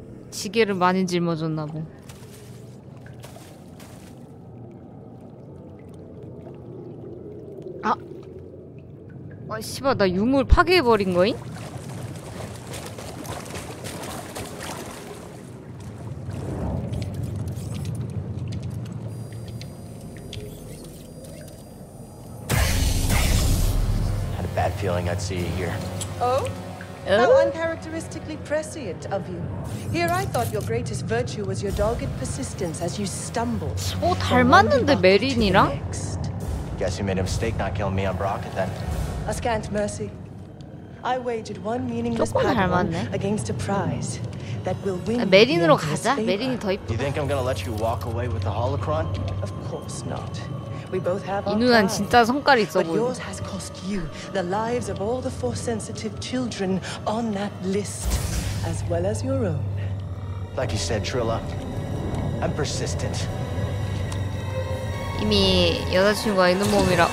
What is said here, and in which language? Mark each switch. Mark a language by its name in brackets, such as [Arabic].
[Korean] 시계를 많이 짊어졌나고. 아, 아 씨발 나 유물 파괴해버린 거임? [English] had a bad feeling I'd see you here. Oh. How uncharacteristically prescient of you. Here I thought your greatest virtue was your dogged persistence as you stumbled. [Korean] 오, 닮았는데 메린이랑? [English] Guess you made a mistake not killing me on Brocket then. A scant mercy. I wagered one meaningless battle against a prize that will win. [Korean] 메린으로 가자. 메린이 더 이쁘다. [English] Do you think I'm gonna let you walk away with the holocron? Of course not. We both have our pride. [Korean] 이 누난 진짜 성깔 있어 보여. [English] But yours has cost you the lives of all the force sensitive children on that list, as well as your own. Like you said, Trilla, I'm persistent. [Korean] 이미 여자친구가 있는 몸이라.